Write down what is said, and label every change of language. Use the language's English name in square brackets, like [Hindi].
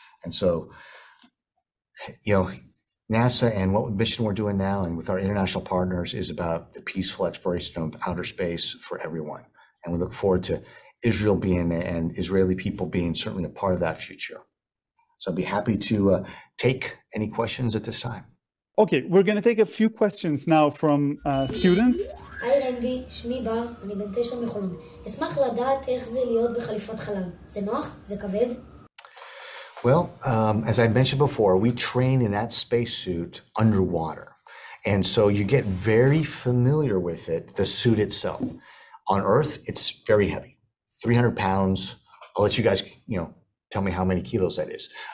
[English] And so, you know, NASA and what mission we're doing now and with our international partners is about the peaceful exploration of outer space for everyone. And we look forward to Israel being and Israeli people being certainly a part of that future. So I'd be happy to take any questions at this time. Okay, we're going to take a few questions now from students. [Hebrew] היי רנדי, שמי בר, אני בן 9 מחולון. אשמח לדעת איך זה להיות בחליפת חלל. זה נוח? זה כבד? [English] Well, as I mentioned before, we train in that spacesuit underwater. And so you get very familiar with it, the suit itself. On Earth, it's very heavy. 300 pounds. I'll let you guys, you know, tell me how many kilos that is.